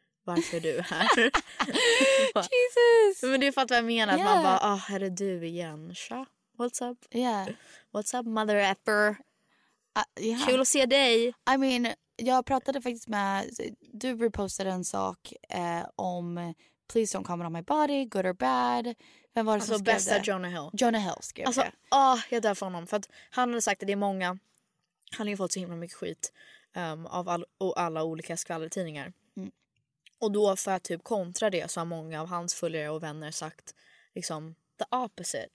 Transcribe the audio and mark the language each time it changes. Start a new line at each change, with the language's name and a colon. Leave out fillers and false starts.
Swedish: Varför är du här? Jesus! Men du fattar vad jag menar.
English: Yeah.
Swedish: Man bara, oh, här är du igen.
English: Tja, what's up? Yeah. What's up, mother effer? Yeah.
Swedish: Kul att se dig. I mean, jag pratade faktiskt med... Du repostade en sak om...
English: Please don't comment on my body, good or bad.
Swedish: Vem var det alltså, som skrev det? Bästa Jonah Hill. Jonah Hill skrev det. Alltså, jag dör för honom. För att han hade sagt att det är många. Han har ju fått så himla mycket skit av alla olika skvallertidningar. Mm. Och då för att typ kontra det så har många av hans följare och vänner sagt liksom the opposite.